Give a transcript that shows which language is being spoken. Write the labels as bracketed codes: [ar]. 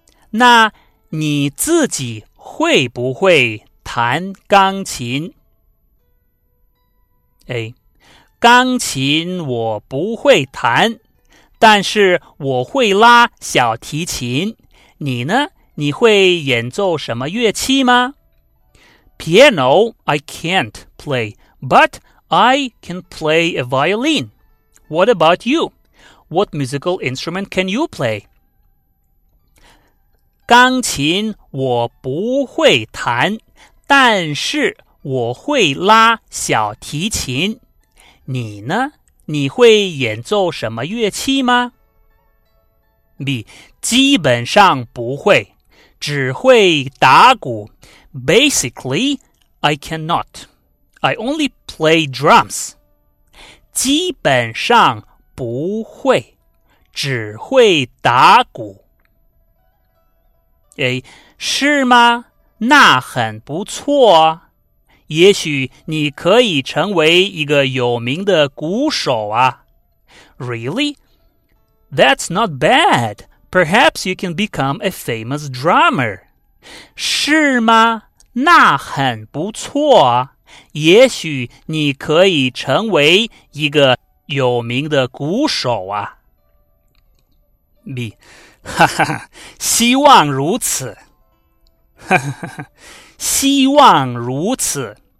[zh] 那你自己会不会弹钢琴？ A. 钢琴我不会弹，但是我会拉小提琴。你呢？你会演奏什么乐器吗？ [en] Piano I can't play, but I can play a violin. What about you? What musical instrument can you play? [zh] 钢琴我不会弹，但是我会拉小提琴。你呢？你会演奏什么乐器吗？B. 基本上不会。只会打鼓。 [en] Basically, I cannot. I only play drums. [zh] 基本上不会，只会打鼓。A. 是吗？那很不错啊。也许你可以成为一个有名的鼓手啊。 [en] Really? That's not bad. Perhaps you can become a famous drummer. [zh] 是吗？那很不错啊。也许你可以成为一个有名的鼓手啊。 B， 哈哈哈，希望如此。希望如此。